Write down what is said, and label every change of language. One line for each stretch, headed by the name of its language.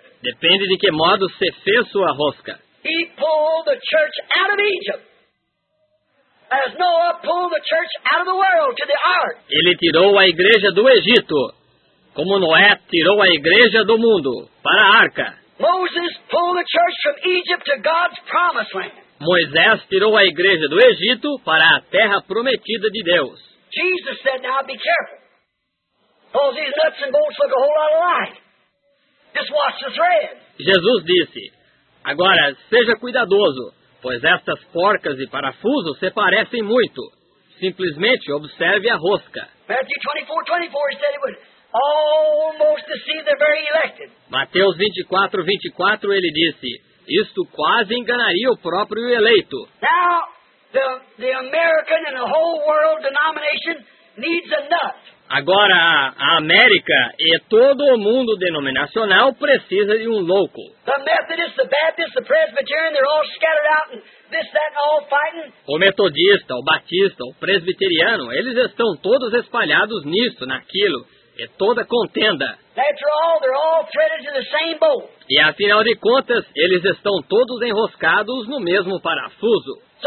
Portuguese: Depende de que modo se fez sua rosca.
English: He pulled the church out of Egypt. As Noah pulled the church out of the world to the ark.
Portuguese: Ele tirou a igreja do Egito, como Noé tirou a igreja do mundo para a arca.
English: Moses pulled the church from Egypt to God's promised land.
Portuguese: Moisés tirou a igreja do Egito para a terra prometida de Deus.
English: Jesus said, "Now be careful. All these nuts and bolts look a whole lot alike. Just watch the thread."
Portuguese: Jesus disse, "Agora seja cuidadoso, pois estas porcas e parafusos se parecem muito. Simplesmente observe a rosca."
English: Matthew 24:24 said it would almost deceive the very elected.
Portuguese: Mateus 24:24 ele disse, isto quase enganaria o próprio eleito.
English: Now, the American and the whole world denomination needs a nut.
Portuguese: Agora, a América e todo o mundo denominacional precisa de um louco.
English: The Methodist, the Baptist, the Presbyterian, they're all scattered out and this, that, and all fighting.
Portuguese: O metodista, o batista, o presbiteriano, eles estão todos espalhados nisso, naquilo. É toda contenda.
English: They're all threaded to the same bolt.
Portuguese: E afinal de contas, eles estão todos enroscados no mesmo parafuso.